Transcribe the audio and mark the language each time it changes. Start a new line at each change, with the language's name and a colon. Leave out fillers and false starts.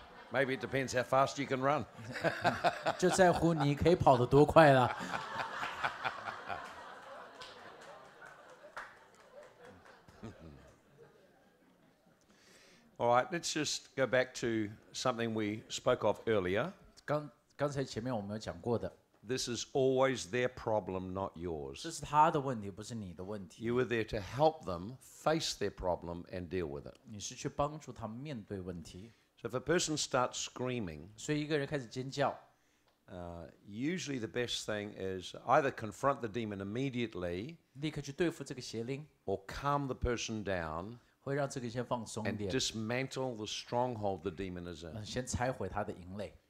English: Maybe it depends how fast you can run.
Chinese: 就在乎你可以跑得多快了。
English: All right, let's just go back to something we spoke of earlier.
Chinese: 刚才前面我们有讲过的。
English: This is always their problem, not yours.
Chinese: 这是他的问题，不是你的问题。
English: You were there to help them face their problem and deal with it.
Chinese: 你是去帮助他们面对问题。
English: So if a person starts screaming,
Chinese: 所以一个人开始尖叫,
English: usually the best thing is either confront the demon immediately,
Chinese: 立刻去对付这个邪灵,
English: or calm the person down,
Chinese: 会让这个先放松一点,
English: and dismantle the stronghold the demon is in.
Chinese: 先拆毁他的营垒。